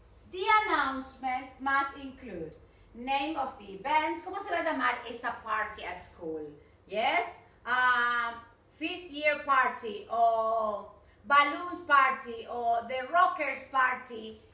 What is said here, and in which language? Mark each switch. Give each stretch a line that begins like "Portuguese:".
English: The announcement must include name of the event.
Spanish: ¿Cómo se va a llamar esa
English: party at school? Yes? Fifth year party or balloons party or the rockers party.